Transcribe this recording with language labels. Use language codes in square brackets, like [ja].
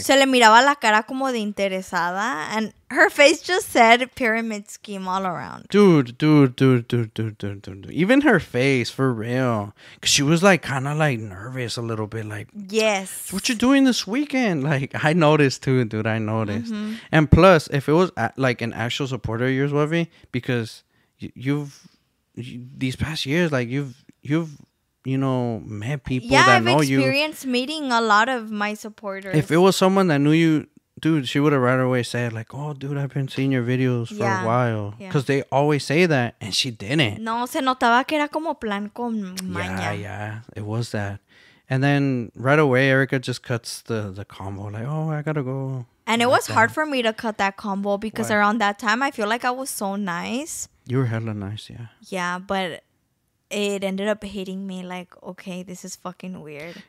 [es] Se le miraba la cara como de interesada. [en] And her face just said pyramid scheme all around. Dude. Even her face, for real. Because she was, like, kind of, like, nervous a little bit. Like, yes. What you doing this weekend? Like, I noticed, too, dude. I noticed. Mm-hmm. And plus, if it was, like, an actual supporter of yours, Wavi, because you've... These past years, like, you've... You know, met people that I've know you. Yeah, I've experienced meeting a lot of my supporters. If it was someone that knew you, dude, she would have right away said, like, oh, dude, I've been seeing your videos for a while. Because they always say that, and she didn't. [es] No, se notaba que era como plan con maña. [en] Yeah, yeah, it was that. And then right away, Erica just cuts the combo, like, oh, I gotta go. And it was hard for me to cut that combo because around that time, I feel like I was so nice. You were hella nice, yeah. Yeah, but... It ended up hitting me like, okay, this is fucking weird.